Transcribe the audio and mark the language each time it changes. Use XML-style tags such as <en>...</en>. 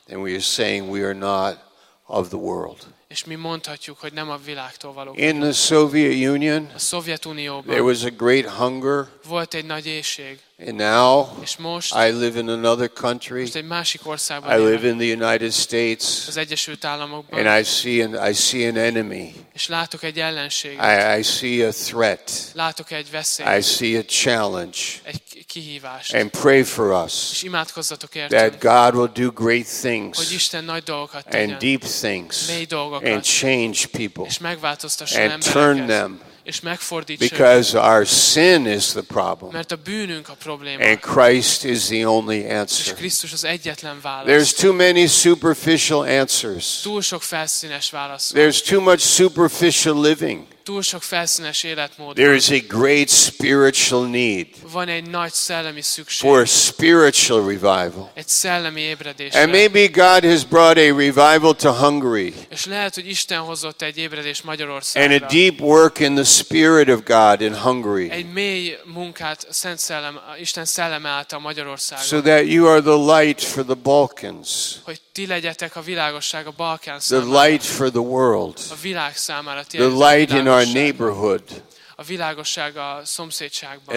<en>And we are saying we are not of the world.</en> <hu>És mi mondhatjuk, hogy nem a világtól valók.</hu> <en>In the Soviet Union.</en> <hu>A Szovjetunióban.</hu> <en>There was a great hunger.</en> <hu>Volt egy nagy éhség.</hu> <en>And now.</en> <hu>És most.</hu> <en>I live in another country.</en> <hu>Most egy másik országban.</hu> <en>I live in the United States.</en> <hu>Az Egyesült Államokban.</hu> <en>And I see an enemy.</en> <hu>És látok egy ellenséget.</hu> <en>I see a threat.</en> <hu>Látok egy veszélyt.</hu> <en>I see a challenge.</en> <hu>Egy kihívást.</hu> <en>And pray for us.</en> <hu>És imádkozzatok értünk.</hu> <en>That God will do great things.</en> <hu>Hogy Isten nagy dolgokat tegyen.</hu> <en>And deep things.</en> <hu>Mély dolgokat.</hu> <en>And change people.</en> <hu>És megváltoztasson embereket.</hu> <en>And turn them.</en> <hu>És megfordítsa.</hu> <en>Because our sin is the problem.</en> <hu>Mert a bűnünk a probléma.</hu> <en>And Christ is the only answer.</en> <hu>És Krisztus az egyetlen válasz.</hu> <en>There's too many superficial answers.</en> <hu>Túl sok felszínes válasz.</hu> <en>There's too much superficial living.</en> <hu>Túl sok felszínes életmód.</hu> <en>There is a great spiritual need.</en> <hu>Van egy nagy szellemi szükség.</hu> <en>For a spiritual revival.</en> <hu>Egy szellemi ébredésre.</hu> <en>And maybe God has brought a revival to Hungary.</en> <hu>És lehet, hogy Isten hozott egy ébredést Magyarországra.</hu> <en>And a deep work in the Spirit of God in Hungary.</en> <hu>Egy mély munkát Szent Szellem, Isten szelleme által Magyarországra.</hu> <en>So that you are the light for the Balkans.</en> <hu>Hogy ti legyetek a világosság a Balkán számára.</hu> <en>The light for the world.</en> <hu>A világ számára.</hu> <en>The light in our neighborhood.</en> <hu>A világosság a szomszédságban.</hu>